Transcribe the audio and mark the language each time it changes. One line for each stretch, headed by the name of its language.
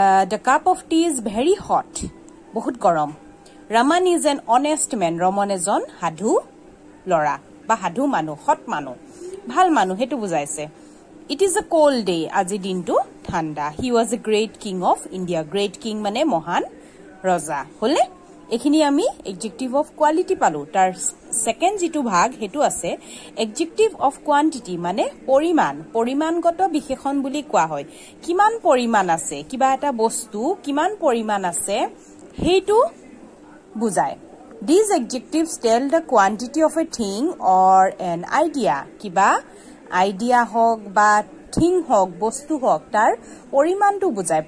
English: the cup of tea is very hot,
Assamese: বহুত গৰম।
English: Raman is an honest man,
Assamese: Raman এজন সাধু ল'ৰা বা সাধু মানুহ, সৎ মানুহ, ভাল মানুহ, সেইটো বুজাইছে।
English: it is a cold day,
Assamese: আজি দিনটো ঠাণ্ডা।
English: he was a great king of India,
Assamese: great king মানে মহান ৰজা হলে। এইখিনি আমি এডজেক্টিভ অফ কোৱালিটি পালো। তাৰ ছেকেণ্ড যিটো ভাগ সেইটো আছে এডজেক্টিভ অফ কোৱান্টিটি, মানে পৰিমাণ, পৰিমাণগত বিশেষণ বুলি কোৱা হয়। কিমান পৰিমাণ আছে কিবা এটা বস্তু, কিমান পৰিমাণ আছে সেইটো বুজায়।
English: these adjective tell the quantity of a thing or an idea,
Assamese: কিবা আইডিয়া হওক বা থিং হওক, বস্তু হওক, তাৰ পৰিমাণটো বুজায়।